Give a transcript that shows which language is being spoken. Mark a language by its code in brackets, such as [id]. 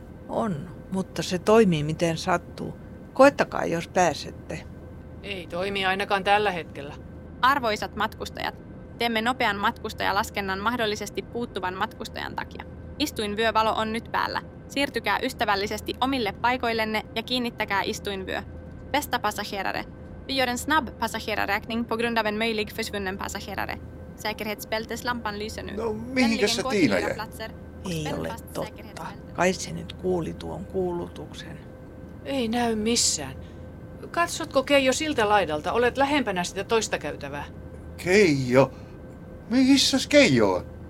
[fi] On, mutta se toimii miten sattuu. Koettakaa, jos pääsette. Ei toimi ainakaan tällä hetkellä. Arvoisat matkustajat, teemme nopean matkustajalaskennan mahdollisesti puuttuvan matkustajan takia. Istuinvyövalo on nyt päällä. Siirtykää ystävällisesti omille paikoillenne ja kiinnittäkää istuinvyö. [sv] Bästa passagerare. Vi gör en snabb passagerarräkning på grund av en möjlig försvunnen passagerare. Säkerhetsbälteslampan lyser nu. [fi] No, mihinkäs se Tiina jäi? Ei ole totta. Kai se nyt kuuli tuon kuulutuksen. Ei näy missään. Katsotko, Keijo, siltä laidalta? Olet lähempänä sitä toista käytävää. Keijo? Missäs Keijo on?